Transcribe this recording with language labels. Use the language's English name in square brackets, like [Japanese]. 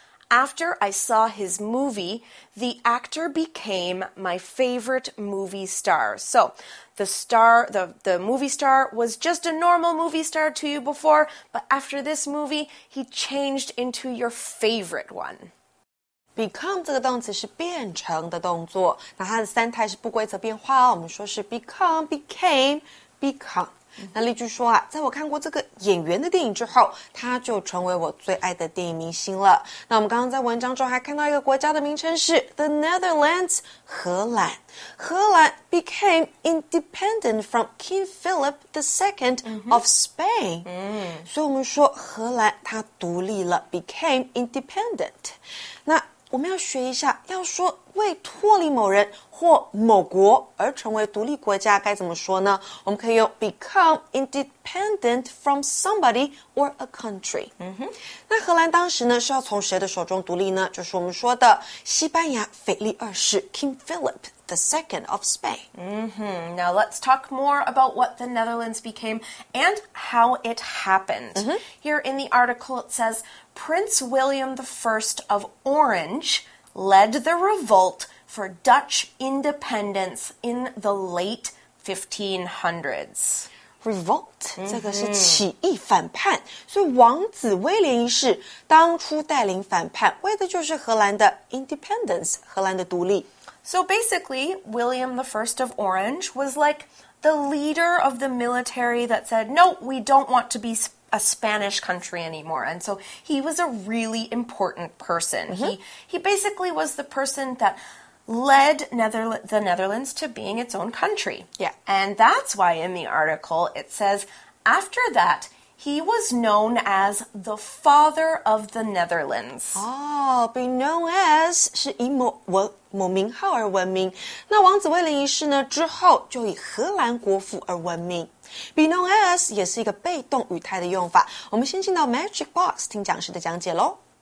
[English] After I saw his movie, the actor became my favorite movie star. So, the movie star was just a normal movie star to you before, but after this movie, he changed into your favorite one. [Chinese] Become 这个动词是变成的动作，那它的三态是不规则变化哦。我们说是 become, became,become. 那例句说啊，在我看过这个演员的电影之后，他就成为我最爱的电影明星了。那我们刚刚在文章中还看到一个国家的名称是 The Netherlands, 荷兰。 [English] 荷兰 became independent from King Philip II of Spain.、 Mm-hmm. [Chinese] 所以我们说荷兰他独立了 , [English] became independent. [Chinese] 那我们要学一下要说为脱离某人或某国而成为独立国家该怎么说呢？我们可以用 [English] become independent from somebody or a country.、 [Chinese] Mm-hmm. 那荷兰当时呢是要从谁的手中独立呢？就是我们说的西班牙腓力二世 King Philip II of Spain.、 Mm-hmm. [English] Now let's talk more about what the Netherlands became and how it happened.、Mm-hmm. Here in the article it says, Prince William I of Orange led the revolt for Dutch independence in the late 1500s. [Chinese] Revolt,、mm-hmm. 这个是起义反叛。所以王子威廉一世当初带领反叛为的就是荷兰的 independence, 荷兰的独立。 [English] So basically, William I of Orange was like the leader of the military that said, no, we don't want to be a Spanish country anymore. And so he was a really important person.、Mm-hmm. He basically was the person that... led the Netherlands to being its own country. Yeah. And that's why in the article it says, after that, he was known as the father of the Netherlands. [Chinese] Oh, [English] be known as, [Chinese] 是以某名号而闻名。那王子威廉一世呢之后就以荷兰国父而闻名。 [English] Be known as [Chinese] 也是一个被动语态的用法。我们先进到 Magic Box 听讲师的讲解咯。